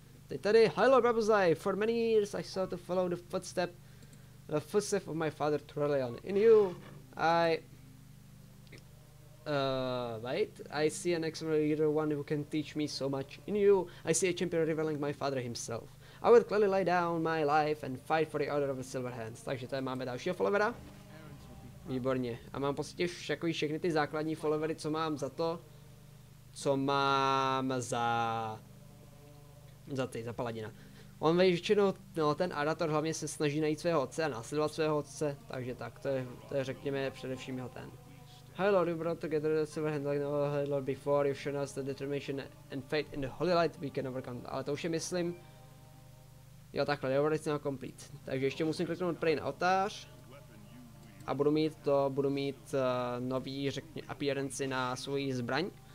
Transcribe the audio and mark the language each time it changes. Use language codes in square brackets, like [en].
[cs] Teď tady, [en] High Lord Bubblezai, for many years I sought to follow the footsteps of my father Turalion. In you, I see an excellent leader, one who can teach me so much. In you, I see a champion rivaling my father himself. I would gladly lay down my life and fight for the honor of the Silver Hands. [cs] Takže tady máme dalšího followera. Výborně. A mám prostě všechny ty základní followery, co mám za to. Co mám za paladina. On většinou, no ten Arator hlavně se snaží najít svého otce a následovat svého otce. Takže tak, to je řekněme především jeho ten. [en] Hi Lord, you brought together the Silver Hands like no Hi Lord before. You've shown us the determination and faith in the Holy Light we can overcome. [cs] Ale to už je myslím. Jo, takhle, jo, vlastně na complete. Takže ještě musím kliknout prej na otář. A budu mít nový, řekně, appearance na svoji zbraň.